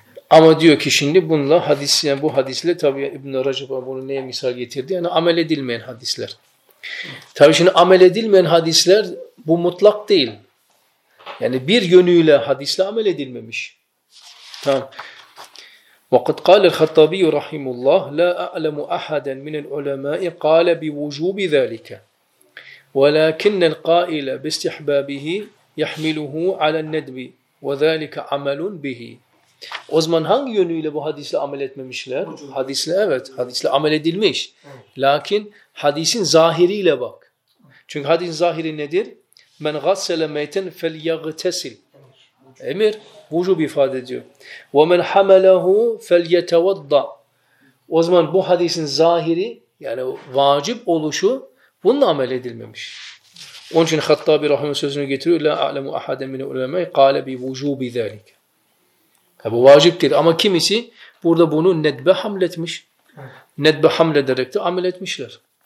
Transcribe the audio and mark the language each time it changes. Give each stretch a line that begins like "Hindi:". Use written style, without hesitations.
Turkish: Ama diyor ki şimdi bununla hadis yani bu hadisle tabii İbn-i Recep bunu neye misal getirdi? Yani amel edilmeyen hadisler. Tabii şimdi amel edilmeyen hadisler bu mutlak değil. Yani bir yönüyle hadisle amel edilmemiş. Tamam.
Arabic: وقد قال الخطابي رحمه الله لا أعلم أحدا من العلماء قال بوجوب ذلك ولكن القائل باستحبابه يحمله على الندب وذلك عمل به.
Turkish: O zaman hangi yönüyle bu hadisle amel etmemişler? Hadisle evet, hadisle amel edilmiş. Lakin hadisin zahiriyle bak. Çünkü hadisin zahiri nedir?
Arabic: Men gassele meyten fel yagtesil.
Turkish: Emir. Vücub ifade ediyor.
Arabic: وَمَنْ حَمَلَهُ فَلْيَتَوَضَّ
Turkish: O zaman bu hadisin zahiri, yani vacip oluşu bununla amel edilmemiş. Onun için Hattabi Rahim'in sözünü getiriyor.
Arabic: لَا أَعْلَمُ أَحَدًا مِنْ اُلَمَيْ قَالَ بِوُجُوبِ ذَٰلِكَ
Turkish: yani bu vaciptir. Ama kimisi burada bunu nedbe hamletmiş. Nedbe hamlederek de amel etmişler.